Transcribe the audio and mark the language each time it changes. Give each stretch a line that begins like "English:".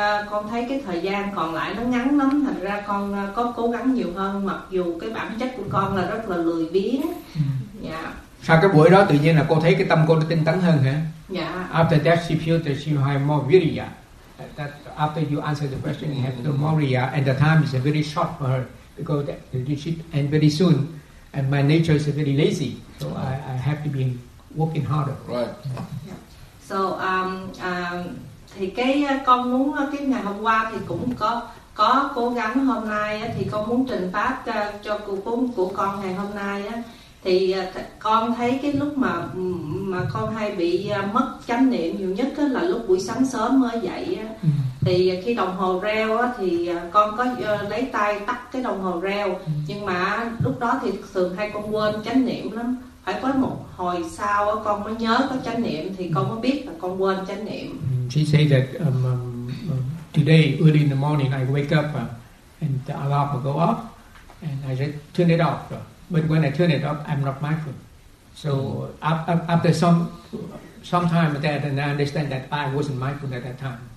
Vietnamese: Con thấy cái thời gian còn lại nó ngắn lắm, thành ra con có cố gắng nhiều hơn, mặc dù cái bản chất của con là rất là lười biếng.
English: Yeah.
Vietnamese: Sau cái buổi đó tự nhiên là cô thấy cái tâm cô nó tinh tấn hơn hả?
English: Yeah. After that she feel that she have more virya. That after you answer the question you have more virya, and the time is very short for her because that and very soon, and my nature is very lazy, so I have to be working harder. Right. Yeah.
Vietnamese: So thì cái con muốn cái ngày hôm qua thì cũng có cố gắng, hôm nay thì con muốn trình pháp cho cuộc của con ngày hôm nay á, thì con thấy cái lúc mà con hay bị mất chánh niệm nhiều nhất á, là lúc buổi sáng sớm mới dậy á. Thì khi đồng hồ reo á, thì con có lấy tay tắt cái đồng hồ reo, nhưng mà lúc đó thì thường hay con quên chánh niệm lắm, phải có một hồi sau á, con mới nhớ có chánh niệm thì con mới biết là con quên chánh niệm.
English: She said that today early in the morning I wake up and the alarm will go off and I just turn it off. But when I turn it off, I'm not mindful. So after some time that, and I understand that I wasn't mindful at that time.